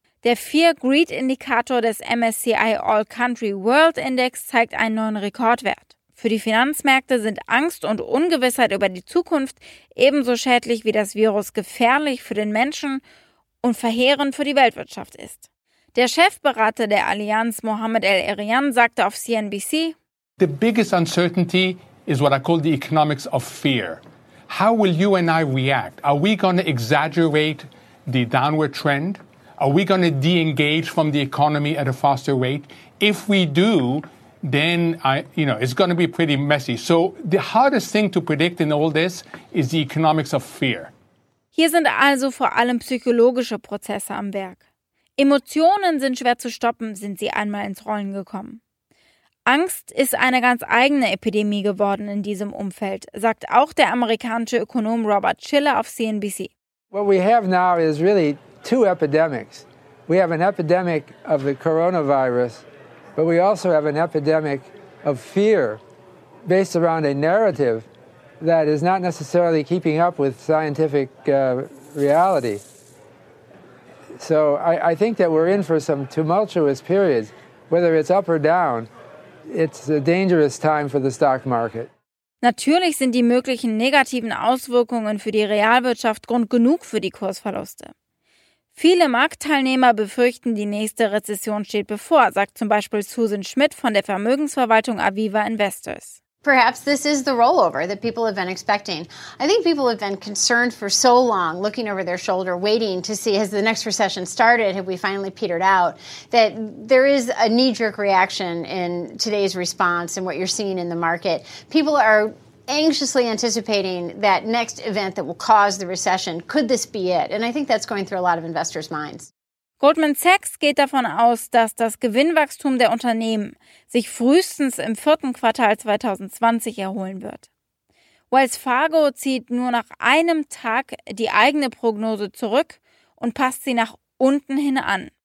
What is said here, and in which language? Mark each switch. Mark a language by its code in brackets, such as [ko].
[de] Der Fear-Greed-Indikator des MSCI All-Country-World-Index zeigt einen neuen Rekordwert. Für die Finanzmärkte sind Angst und Ungewissheit über die Zukunft ebenso schädlich wie das Virus gefährlich für den Menschen und verheerend für die Weltwirtschaft ist. Der Chefberater der Allianz, Mohammed El-Erian, sagte auf CNBC: [en] The biggest uncertainty is what I call the economics of fear. How will you and I react? Are we going to exaggerate the downward trend? Are we going to de-engage from the economy at a faster rate? If we do, then it's going to be pretty messy. So the hardest thing to predict in all this is the economics of fear. [de] Hier sind also vor allem psychologische Prozesse am Werk. Emotionen sind schwer zu stoppen, sind sie einmal ins Rollen gekommen. Angst ist eine ganz eigene Epidemie geworden in diesem Umfeld, sagt auch der amerikanische Ökonom Robert Schiller auf CNBC. [en] What we have now is really two epidemics. We have an epidemic of the coronavirus, but we also have an epidemic of fear based around a narrative that is not necessarily keeping up with scientific reality. So I think that we're in for some tumultuous periods, whether it's up or down. It's a dangerous time for the stock market. [de] Natürlich sind die möglichen negativen Auswirkungen für die Realwirtschaft Grund genug für die Kursverluste. Viele Marktteilnehmer befürchten, die nächste Rezession steht bevor, sagt zum Beispiel Susan Schmidt von der Vermögensverwaltung Aviva Investors. [en] Perhaps this is the rollover that people have been expecting. I think people have been concerned for so long, looking over their shoulder, waiting to see, has the next recession started? Have we finally petered out? That there is a knee-jerk reaction in today's response and what you're seeing in the market. People are anxiously anticipating that next event that will cause the recession. Could this be it? And I think that's going through a lot of investors' minds. [de] Goldman Sachs geht davon aus, dass das Gewinnwachstum der Unternehmen sich frühestens im vierten Quartal 2020 erholen wird. Wells Fargo zieht nur nach einem Tag die eigene Prognose zurück und passt sie nach unten hin an.